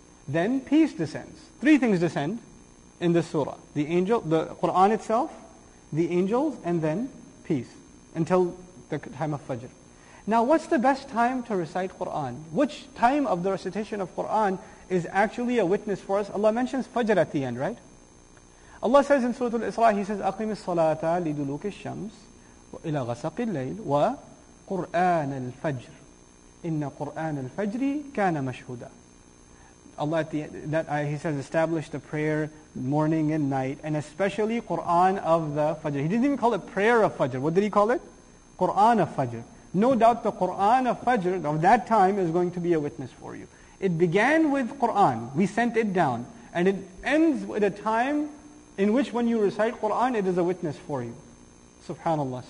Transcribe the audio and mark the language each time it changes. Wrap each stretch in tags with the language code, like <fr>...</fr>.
<en>Then peace descends. Three things descend in this surah. The angel, the Qur'an itself, the angels, and then peace. Until the time of Fajr. Now what's the best time to recite Qur'an? Which time of the recitation of Qur'an is actually a witness for us? Allah mentions Fajr at the end, right? Allah says in Surah Al-Isra, He says,</en> <ar>أَقِمِ الصَّلَاةَ لِدُلُوكِ الشَّمْسِ إِلَى غَسَقِ اللَّيْلِ وَقُرْآنَ الْفَجْرِ إِنَّ قُرْآنَ الْفَجْرِ كَانَ مَشْهُودًا.</ar> <en>Allah, He says, establish the prayer morning and night, and especially Qur'an of the Fajr. He didn't even call it prayer of Fajr. What did He call it? Qur'an of Fajr. No doubt the Qur'an of Fajr of that time is going to be a witness for you. It began with Qur'an. We sent it down. And it ends with a time in which when you recite Qur'an, it is a witness for you. Subhanallah.</en>